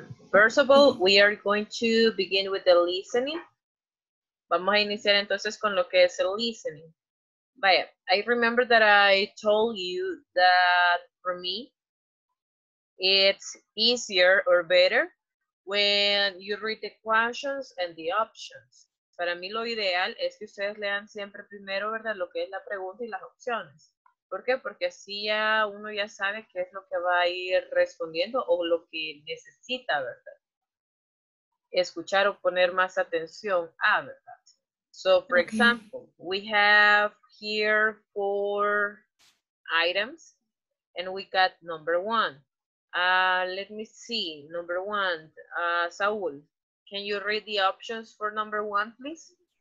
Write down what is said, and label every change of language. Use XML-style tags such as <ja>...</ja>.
<en>First of all, we are going to begin with the listening.</en> <es>Vamos a iniciar entonces con lo que es el listening.</es> <en>Vaya, I remember that I told you that for me, it's easier or better when you read the questions and the options.</en> <es>Para mí lo ideal es que ustedes lean siempre primero, ¿verdad?, lo que es la pregunta y las opciones. ¿Por qué? Porque así ya uno ya sabe qué es lo que va a ir respondiendo o lo que necesita, ¿verdad? Escuchar o poner más atención a, ¿verdad?</es> <en>So, for okay. example, we have here 4 items and we got number 1. Let me see, number 1. Saul, can you read the options for number 1, please?</en>